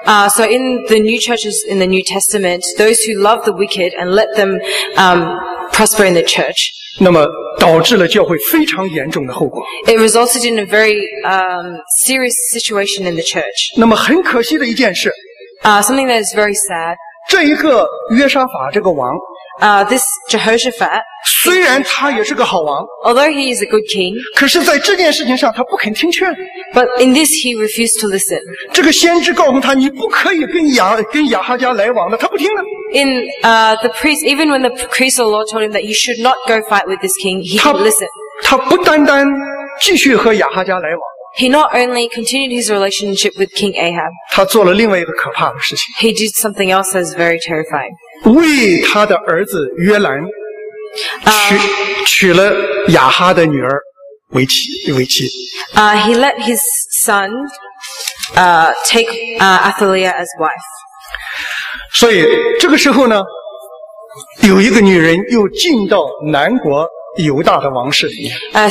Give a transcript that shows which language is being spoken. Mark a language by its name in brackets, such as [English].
[English] So in the new churches in the New Testament, those who love the wicked and let them prosper in the church. [Chinese] 那么导致了教会非常严重的后果。 [English] It resulted in a very serious situation in the church. [Chinese] 那么很可惜的一件事。 [English] Something that is very sad. [Chinese] 这一个约沙法这个王。 [English] This Jehoshaphat. [Chinese] 虽然他也是个好王。 [English] Although he is a good king. [Chinese] 可是在这件事情上他不肯听劝。 [English] But in this he refused to listen. [Chinese] 这个先知告诉他你不可以跟亚哈家来往的，他不听了。 [English] In, the priest, even when the priest of the Lord told him that you should not go fight with this king, he didn't listen. [Chinese] 他不单单继续和亚哈家来往。 [English] He not only continued his relationship with King Ahab. [Chinese] 他做了另外一个可怕的事情。 [English] He did something else that is very terrifying. [Chinese] 为他的儿子约兰 娶了亚哈的女儿为妻。 [English] He let his son take Athaliah as wife. [Chinese] 所以这个时候呢，有一个女人又进到南国犹大的王室里面。